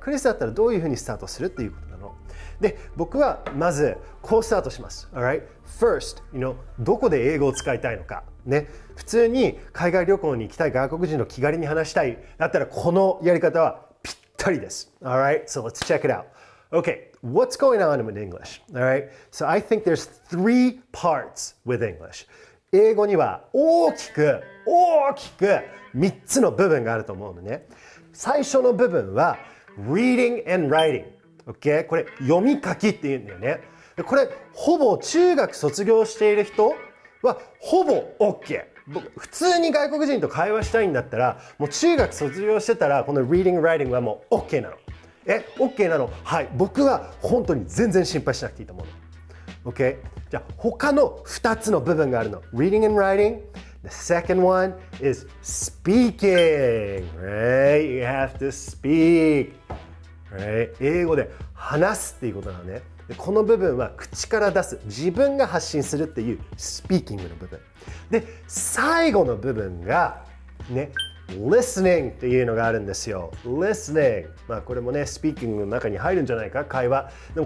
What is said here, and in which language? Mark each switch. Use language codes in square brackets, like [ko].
[ja] クリスだったらどういうふうにスタートするっていうことなので、僕はまずこうスタートします。 [en] Alright? First, you know, [ja] どこで英語を使いたいのか、ね、普通に海外旅行に行きたい、外国人の気軽に話したいだったら、このやり方はぴったりです。 [en] Alright? So let's check it out. Okay, what's going on with English? Alright? So I think there's three parts with English. [ja] 英語には大きく3つの部分があると思うのね。最初の部分は Reading and Writing。Okay? これ読み書きって言うんだよね。これほぼ中学卒業している人はほぼ OK。普通に外国人と会話したいんだったら、もう中学卒業してたらこの reading writing はもう OK なの。え、OK なの？はい、僕は本当に全然心配しなくていいと思うの。 OK、 じゃあ他の2つの部分があるの。 [en] reading and writing、 the second one is speaking、 right? you have to speak、 right? [ja] 英語で話すっていうことなのね。でこの部分は口から出す、自分が発信するっていうスピーキングの部分で、最後の部分がね、listening っていうのがあるんですよ。 listening、 まあこれもね、スピーキングの中に入るんじゃないか、会話でも。